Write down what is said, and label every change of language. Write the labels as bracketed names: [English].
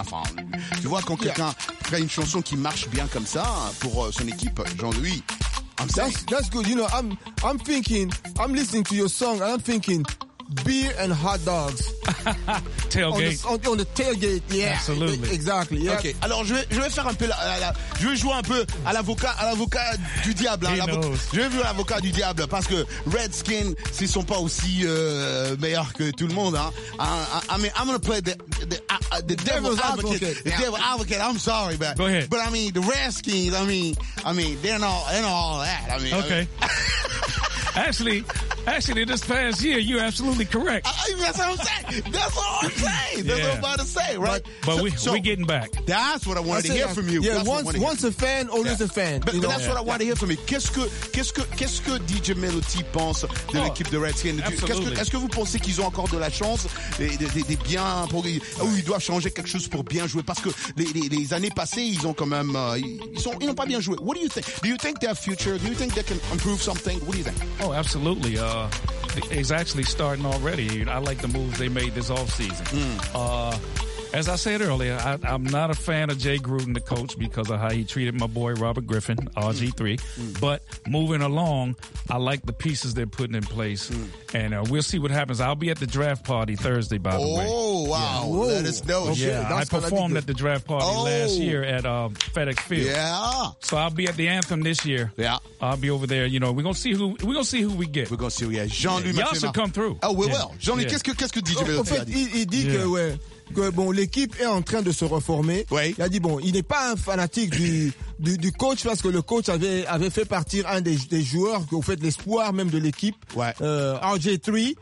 [French] Enfin, tu vois quand quelqu'un crée une chanson qui marche bien comme ça pour son équipe, Jean-Louis. [English] That's good. You know, I'm thinking, I'm listening to your song, and I'm thinking beer and hot dogs. Tailgate. On the tailgate, yeah. Absolutely. Exactly, yeah. [French] Okay, alors je vais faire un peu, je vais jouer un peu à l'avocat du diable. Hein, je vais jouer à l'avocat du diable, parce que Redskin, s'ils sont pas aussi meilleurs que tout le monde, hein. [English] I'm gonna play the devil's advocate. The devil advocate, I'm sorry, but... Go ahead. But I mean, the Redskins, I mean, they're not all that. I mean, okay. I mean, actually... Actually, this past year, you're absolutely correct. That's what I'm saying. That's all I'm saying. That's what I'm about to say, right? But we're getting back. That's what I wanted to hear from you. Yeah, once a fan, always a fan. But that's what I wanted to hear from you. [French] Qu'est-ce que DJ Melody pense de l'équipe de Redskins? Est-ce que vous pensez qu'ils ont encore de la chance de bien progresser? Ou ils doivent changer quelque chose pour bien jouer? Parce que les années passées, ils ont quand même... ils n'ont pas bien joué. [English] What do you think? Do you think they have future? Do you think they can improve something? What do you think? Oh, absolutely. It's actually starting already. I like the moves they made this offseason. Mm. As I said earlier, I'm not a fan of Jay Gruden, the coach, because of how he treated my boy Robert Griffin, RG3. Mm. But moving along, I like the pieces they're putting in place. Mm. And we'll see what happens. I'll be at the draft party Thursday, by the way. Oh, wow. Yeah. Let us know. Okay. Yeah, I performed at the draft party last year at FedEx Field. Yeah. So I'll be at the anthem this year. Yeah. I'll be over there. You know, we're going to see who we get. We're going to see who we get. Jean-Louis Y'all should come through. Oh, we will. [French] Jean-Louis, qu'est-ce que DJ Melody a dit? Il dit que bon, l'équipe est en train de se reformer. Oui. Il a dit bon, il n'est pas un fanatique du coach parce que le coach avait fait partir un des joueurs qui ont fait l'espoir même de l'équipe. Ouais. RG3.